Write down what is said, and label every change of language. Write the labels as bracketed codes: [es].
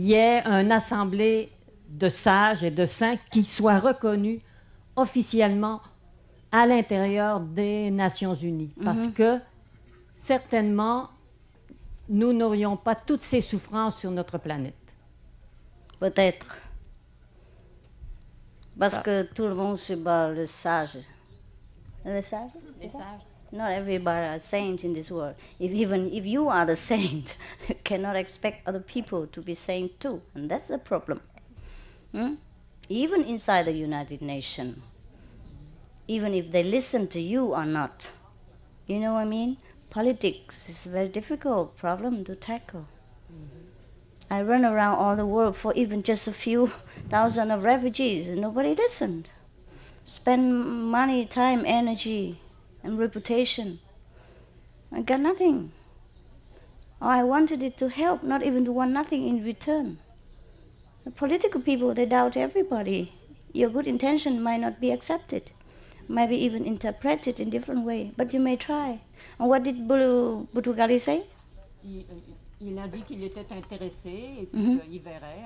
[fr] y ait une assemblée de sages et de saints qui soient reconnus officiellement à l'intérieur des Nations Unies, parce que certainement nous n'aurions pas toutes ces souffrances sur notre planète. Peut-être. Parce que tout le monde se bat le sage. Le sage? Les sages. [en] Not everybody are saints in this world. If you are the saint, you cannot expect other people to be saint too, and that's the problem. Even inside the United Nations. Even if they listen to you or not. You know what I mean? Politics is a very difficult problem to tackle. I run around all the world for even just a few thousand of refugees, and nobody listened. Spend money, time, energy, and reputation. I got nothing. All I wanted it to help, not even to want nothing in return. The political people, they doubt everybody. Your good intention might not be accepted, might be even interpreted in different way, but you may try. And what did Butugali say? [fr] Il a dit qu'il était intéressé et qu'il verrait.